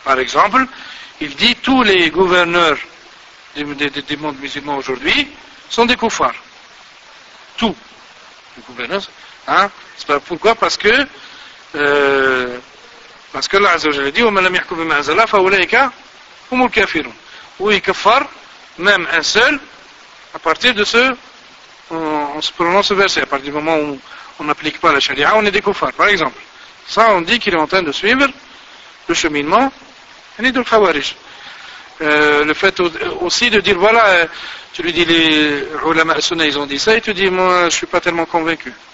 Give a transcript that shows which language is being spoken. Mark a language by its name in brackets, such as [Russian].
[French] Par exemple, il dit que tous les gouverneurs des mondes musulmans aujourd'hui sont des koufars. Tous les gouverneurs. Hein? C'est pas pourquoi? Parce que Allah Azza wa Jalla dit: [Arabic] وَمَا لَمْ يَحْكُمْ بِمَا أَنْزَلَ اللَّهُ فَأُولَئِكَ هُمُ الْكَافِرُونَ. [French] Oui, kafar. Même un seul, à partir de ce, on se prononce ce verset, à partir du moment où on n'applique pas la charia, on est des koufars, par exemple. Ça, on dit qu'il est en train de suivre le cheminement, et n'est de khawarij. Le fait aussi de dire, voilà, tu lui dis, les ulama sunna, ils ont dit ça, et tu dis, moi, je ne suis pas tellement convaincu.